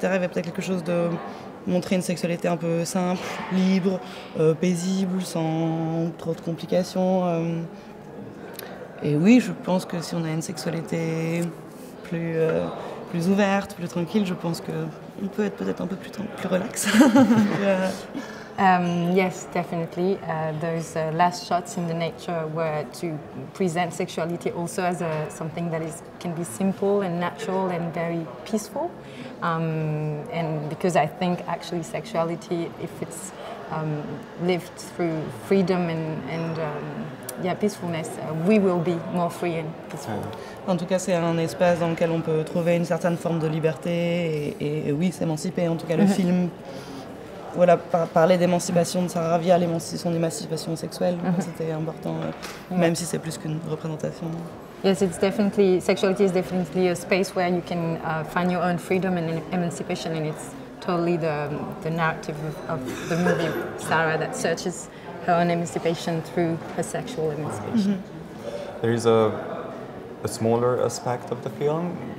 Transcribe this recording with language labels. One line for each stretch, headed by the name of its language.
French: Il y avait peut-être quelque chose de montrer une sexualité un peu simple, libre, paisible, sans trop de complications. Et oui, je pense que si on a une sexualité plus ouverte, plus tranquille, je pense qu'on peut être peut-être un peu plus relax.
English: Yes, definitely. Those last shots in the nature were to present sexuality also as something that can be simple and natural and very peaceful. And because I think actually sexuality, if it's lived through freedom and peacefulness, we will be more free and peaceful.
French: En tout cas, c'est un espace dans lequel on peut trouver une certaine forme de liberté et oui, s'émanciper. En tout cas, le film. Voilà, parler d'émancipation de Sarah via son émancipation sexuelle, c'était important, même si c'est plus qu'une représentation.
English: Yes, it's definitely, sexuality is definitely a space where you can find your own freedom and emancipation, and it's totally the narrative of the movie Sarah that searches her own emancipation through her sexual emancipation. Mm-hmm. There is a smaller aspect of the film.